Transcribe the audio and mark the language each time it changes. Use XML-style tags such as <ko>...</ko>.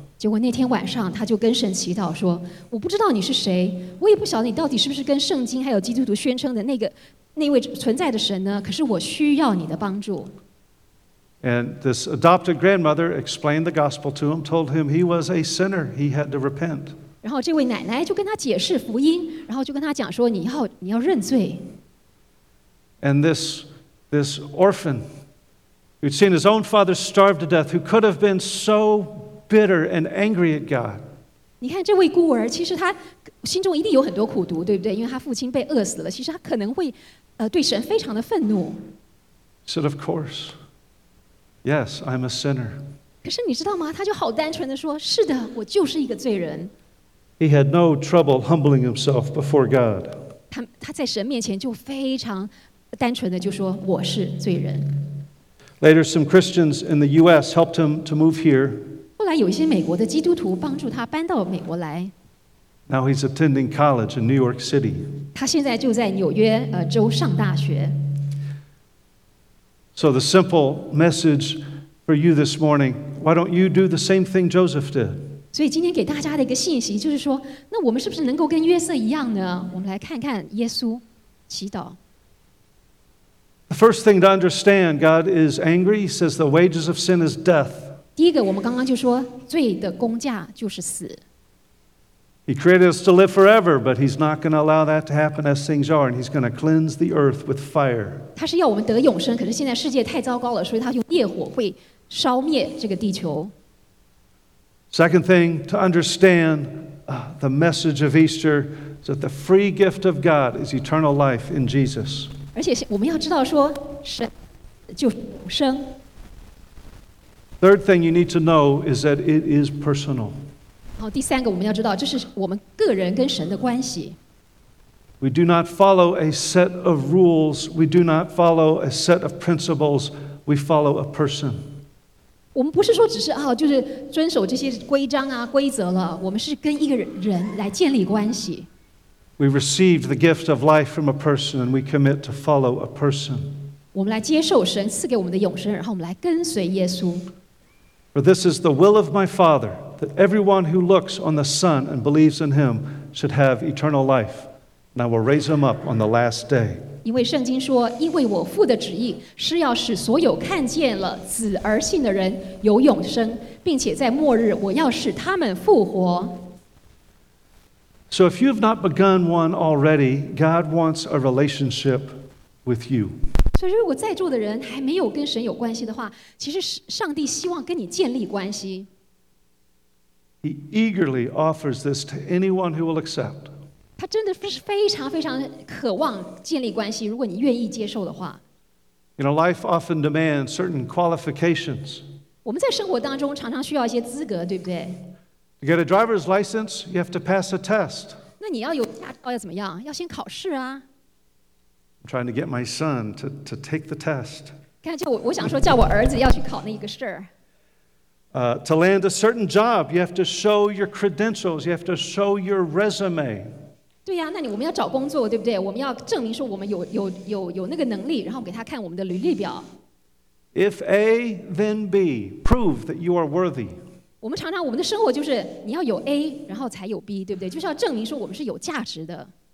<zh>结果那天晚上，他就跟神祈祷说，我不知道你是谁，我也不晓得你到底是不是跟圣经还有基督徒宣称的那位存在的神呢？可是我需要你的帮助。</zh> <en>And this adopted grandmother explained the gospel to him, told him he was a sinner, he had to repent.</en> <zh>然后这位奶奶就跟他解释福音，然后就跟他讲说，你要认罪。</zh> <en>And this orphan, who'd seen his own father starve to death, who could have been so bitter and angry at God.</en> <zh>你看这位孤儿，其实他心中一定有很多苦毒，对不对？因为他父亲被饿死了，其实他可能会对神非常的愤怒。</zh> <en>He said, "Of course, yes, I'm a sinner."</en> <zh>可是你知道吗？他就好单纯的说：“是的，我就是一个罪人。”</zh> <en>He had no trouble humbling himself before God.</en> <zh>他在神面前就非常单纯的就说：“我是罪人。”</zh> <en>Later, some Christians in the U.S. helped him to move here.</en> <zh>后来有一些美国的基督徒帮助他搬到美国来。</zh> <en>Now he's attending college in New York City.</en> <zh>他现在就在纽约州上大学。</zh> <en>So the simple message for you this morning: why don't you do the same thing Joseph did?</en> <zh>所以今天给大家的一个信息就是说，那我们是不是能够跟约瑟一样呢？我们来看看耶稣祈祷。</zh> <en>The first thing to understand: God is angry. He says the wages of sin is death.</en> <zh>第一个，我们刚刚就说罪的工价就是死。</zh> <en>He created us to live forever, but he's not going to allow that to happen as things are, and he's going to cleanse the earth with fire.</en> <zh>他是要我们得永生，可是现在世界太糟糕了，所以他用烈火会烧灭这个地球。</zh> <en>Second thing to understand, the message of Easter is that the free gift of God is eternal life in Jesus.</en> <zh>而且我们要知道说，神就永生。</zh> <en>Third thing you need to know is that it is personal.</en> <zh>后第三个我们要知道，这是我们个人跟神的关系。</zh> <en>We do not follow a set of rules. We do not follow a set of principles. We follow a person.</en> <zh>我们不是说只是啊，就是遵守这些规章啊、规则了。我们是跟一个人来建立关系。</zh> <en>We receive the gift of life from a person, and we commit to follow a person.</en> <zh>我们来接受神赐给我们的永生，然后我们来跟随耶稣。</zh> <en>For this is the will of my Father, that everyone who looks on the Son and believes in Him should have eternal life. And I will raise him up on the last day.</en> <zh>因为圣经说，因为我父的旨意是要使所有看见了子而信的人有永生，并且在末日我要使他们复活。</zh> <en>So if you have not begun one already, God wants a relationship with you.</en> <zh>所以如果在座的人还没有跟神有关系的话，其实上帝希望跟你建立关系。</zh> <en>He eagerly offers this to anyone who will accept.</en> <zh>他真的是非常非常渴望建立关系，如果你愿意接受的话。</zh> <en>You know, life often demands certain qualifications.</en> <zh>我们在生活当中常常需要一些资格，对不对？</zh> <en>To get a driver's license, you have to pass a test.</en> <zh>那你要有驾照要怎么样？要先考试啊。</zh> <en>I'm trying to get my son to take the test.</en> <zh>看，我想说叫我儿子要去考那个试儿。</zh> <en>To land a certain job, you have to show your credentials, you have to show your resume.</en> <zh>对呀、啊，那你我们要找工作，对不对？我们要证明说我们有那个能力，然后给他看我们的履历表。</zh> <en>If A, then B. Prove that you are worthy.</en> <zh>我们常常我们的生活就是你要有 A, 然后才有 B, 对不对？就是要证明说我们是有价值的。</zh>